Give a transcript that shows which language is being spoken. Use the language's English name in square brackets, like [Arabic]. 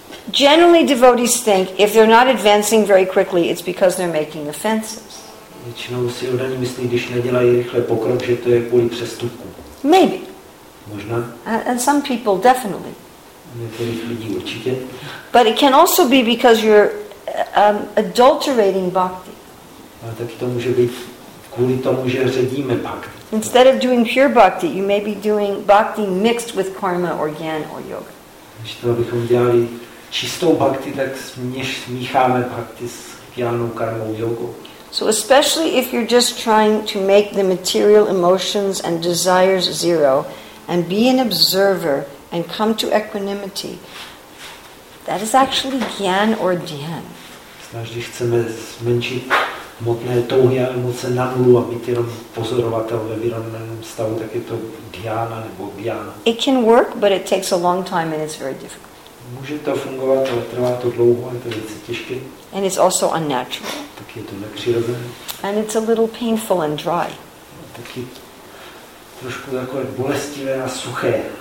[English] Generally devotees think if they're not advancing very quickly, it's because they're making offenses. [Czech] Většinou si lidé myslí, když nedělají rychle pokrok, že to je kvůli přestupku. [English] Maybe. [Czech] Možná. [English] And some people definitely. [Czech] Některých lidí určitě. [English] But it can also be because you're adulterating bhakti. [Czech] A tak to může být kvůli tomu, že ředíme bhakti. [English] Instead of doing pure bhakti, you may be doing bhakti mixed with karma or jnana or yoga. [Czech] Když to bychom dělali čistou bhakti, tak smícháme bhakti s jnanou, karmou, jogou. [English] So especially if you're just trying to make the material emotions and desires zero and be an observer and come to equanimity, that is actually jnan or dhyan. [Czech] Snažíme se zmenšit hmotné touhy a emoce na nulu a být jenom pozorovatel ve vyrovnaném stavu, tak je to dhyana nebo jnana. [English] It can work, but it takes a long time and it's very difficult. [Czech] Může to fungovat, ale trvá to dlouho a je to velice těžké. [English] And it's also unnatural. [Czech] Tak je to nepřirozené. [English] And it's a little painful and dry. [Czech] Taky trošku takové bolestivé a suché.